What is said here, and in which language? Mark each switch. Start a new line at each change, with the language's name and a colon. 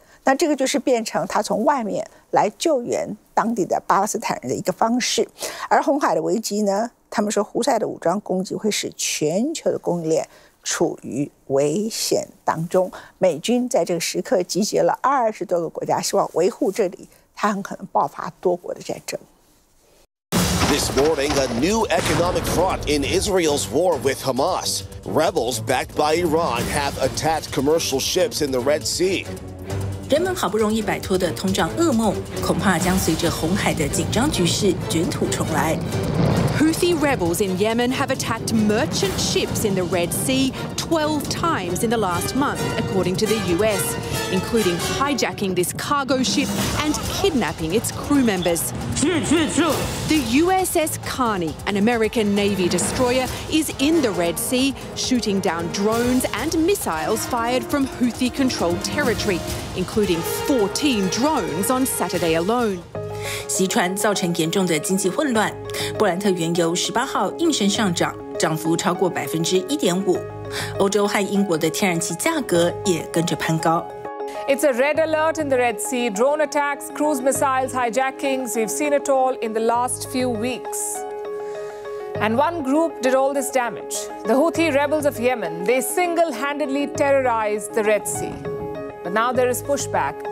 Chinese: 那这个就是变成它从外面来救援当地的巴勒斯坦人的一个方式。而红海的危机呢，他们说胡塞的武装攻击会使全球的供应链处于危险当中，美军在这个时刻集结了20多个国家，希望维护这里，它很可能爆发多国的战争。
English: This morning, a new economic front in Israel's war with Hamas. Rebels backed by Iran have attacked commercial ships in the Red Sea.
Chinese: 人们好不容易摆脱的通胀噩梦，恐怕将随着红海的紧张局势卷土重来。
English: Houthi rebels in Yemen have attacked merchant ships in the Red Sea 12 times in the last month, according to the U.S., including hijacking this cargo ship and kidnapping its crew members. The USS Carney, an American Navy destroyer, is in the Red Sea, shooting down drones and missiles fired from Houthi-controlled territory, including 14 drones on Saturday alone.
Chinese: 袭船造成严重的经济混乱，布兰特原油18号应声上涨，涨幅超过 1.5%， 欧洲和英国的天然气价格也跟着攀高。
English: It's a red alert in the Red Sea. Drone attacks, cruise missiles, hijackings. We've seen it all in the last few weeks. And one group did all this damage. The Houthi rebels of Yemen. They single-handedly terrorized the Red Sea. But now there is pushback.